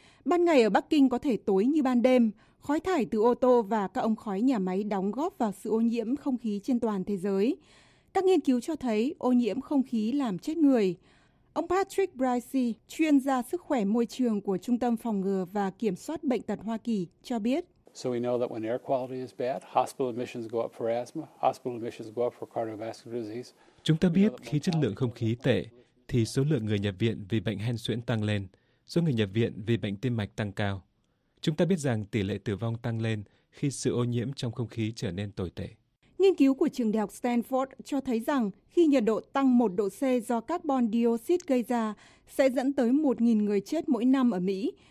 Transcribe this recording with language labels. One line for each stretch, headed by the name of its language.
Vietnamese: Ban ngày ở Bắc Kinh có thể tối như ban đêm. Khói thải từ ô tô và các ống khói nhà máy đóng góp vào sự ô nhiễm không khí trên toàn thế giới. Các nghiên cứu cho thấy ô nhiễm không khí làm chết người. Ông Patrick Bricey, chuyên gia sức khỏe môi trường của Trung tâm Phòng ngừa và Kiểm soát Bệnh tật Hoa Kỳ, cho biết.
English: So we know that when air quality is bad, hospital admissions go up for asthma, hospital admissions go up for cardiovascular disease.
Vietnamese: Chúng ta biết khi chất lượng không khí tệ, thì số lượng người nhập viện vì bệnh hen suyễn tăng lên, số người nhập viện vì bệnh tim mạch tăng cao. Chúng ta biết rằng tỷ lệ tử vong tăng lên khi sự ô nhiễm trong không khí trở nên tồi tệ. Nghiên cứu của trường đại học Stanford cho thấy rằng khi nhiệt độ tăng 1 độ C do carbon dioxide gây ra sẽ dẫn tới 1.000 người chết mỗi năm ở Mỹ.